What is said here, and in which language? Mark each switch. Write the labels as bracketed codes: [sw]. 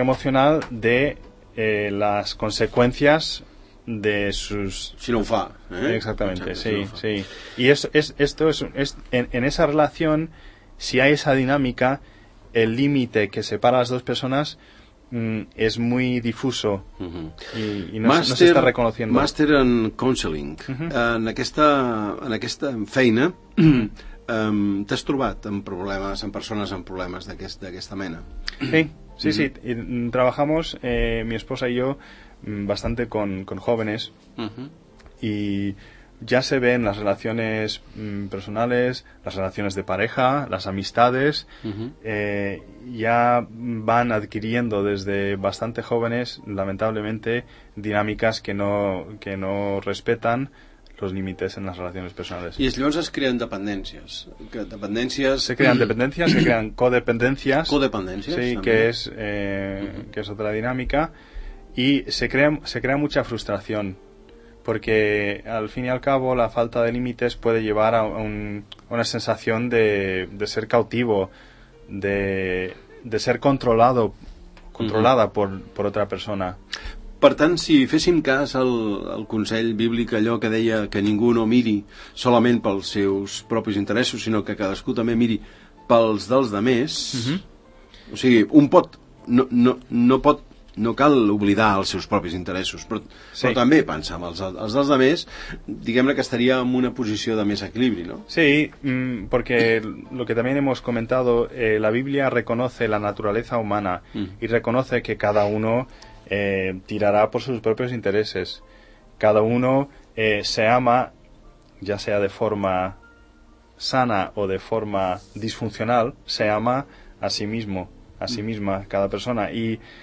[es] emocional de las consecuencias de sus... [ca] Si no fa. [es] Exactamente, sí, [ca] si no fa. [es] Sí. Y en esa relación, si hay esa dinámica, el límite que separa a las dos personas... es muy difuso y no está reconociendo. Master en counseling. [ca] En aquesta feina t'has trobat amb problemes, amb persones amb problemes d'aquesta mena? Sí. [es] Trabajamos mi esposa y yo bastante con jóvenes y ya se ven las relaciones personales, las relaciones de pareja, las amistades, ya van adquiriendo desde bastante jóvenes, lamentablemente, dinámicas que no respetan los límites en las relaciones personales. Y entonces se crean dependencias. Se crean dependencias, se crean codependencias. Codependencias. Sí, que es, que es otra dinámica. Y se crea mucha frustración. Porque al fin y al cabo la falta de límites puede llevar a una sensación de ser cautivo, de ser controlada por otra persona. [ca] Per tant, si féssim cas al consell bíblic, allò que deia que ningú no miri solament pels seus propis interessos, sinó que cadascú també miri pels dels demés, o sigui, un pot, no pot... No cal oblidar els seus propis interessos, però també pensar en els dels altres, diguem-ne que estaria en una posició de més equilibri, no? [es] Sí, porque lo que también hemos comentado, la Biblia reconoce la naturaleza humana y reconoce que cada uno tirará por sus propios intereses. Cada uno se ama, ya sea de forma sana o de forma disfuncional, se ama a sí mismo, a sí misma, cada persona, y